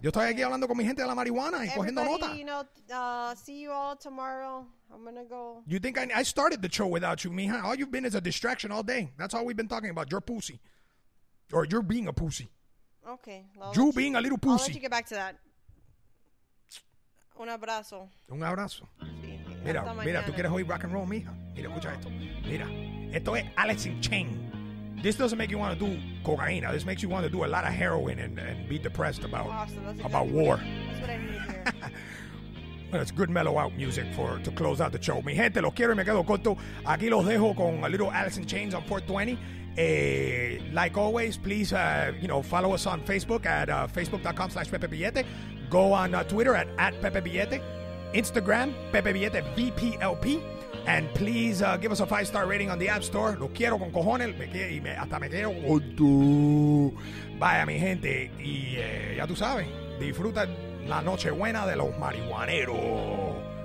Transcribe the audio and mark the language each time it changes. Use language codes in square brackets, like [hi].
[es] Yo estoy aquí hablando con mi gente de la marihuana y cogiendo nota. [en] Everybody, see you all tomorrow. I'm gonna go. You think I started the show without you, mija? All you've been is a distraction all day. That's all we've been talking about. Your pussy. Or you're being a pussy. Okay. You being a little pussy. I'll let you get back to that. [es] Un abrazo. Un abrazo. Mira, mira, tú quieres oír rock and roll, mija. Mira, escucha esto. Mira. Esto es Alex in Chain. [en] This doesn't make you want to do cocaine. This makes you want to do a lot of heroin and be depressed about war. That's what I need to hear. That's good mellow out music for to close out the show. [es] Mi gente, los quiero y me quedo corto. Aquí los dejo con [en] a little Alice in Chains on 420. Like always, please, follow us on Facebook at facebook.com/Pepe Billete. Go on Twitter at Pepe Billete. Instagram, Pepe Billete, VPLP. And please give us a 5-star rating on the App Store. [es] Lo quiero con cojones. Hasta me quiero con tu. Vaya, mi gente. Y ya tú sabes, disfruta la noche buena de los marihuaneros.